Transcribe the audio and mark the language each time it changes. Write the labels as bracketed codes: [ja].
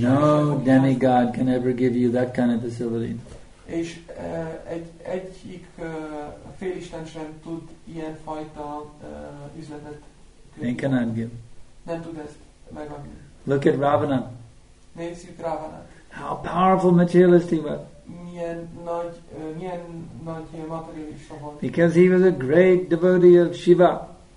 [en] No demigod can ever give you that kind of facility. [hu] És egyik félisten sem tud ilyen fajta üzletet. [en] They cannot give. [hu] Nem tud ezt megadni. [en] Look at Ravana. [hu] Nézzük Ravana. [en] How powerful materialist he was. [hu] Milyen nagy materialista volt. [en] Because he was a great devotee of Shiva.